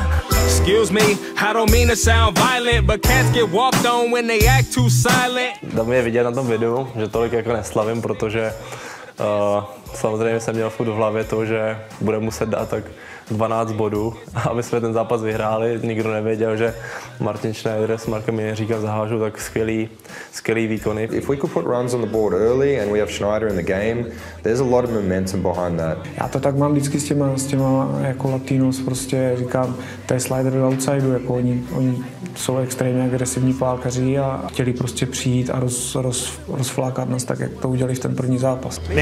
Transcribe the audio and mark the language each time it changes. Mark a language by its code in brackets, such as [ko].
[en] Excuse me, I don't mean to sound violent, but cats get walked on when they act too silent. [cs] Tam je vidět na tom videu, že tolik jako neslavím, protože samozřejmě jsem měl furt v hlavě to, že budem muset dát tak 12 bodů, aby jsme ten zápas vyhráli. Nikdo nevěděl, že Martin Schneider s Markem Jiříkem zahážou tak skvělý výkony. [en] If we could put runs on the board early and we have Schneider in the game, there's a lot of momentum behind that. [cs] Já to tak mám vždycky s těma jako Latinos, prostě říkám, to je slider do outsideu, jako oni jsou extrémně agresivní pálkaři a chtěli prostě přijít a rozflákat nás tak, jak to udělali v ten první zápas.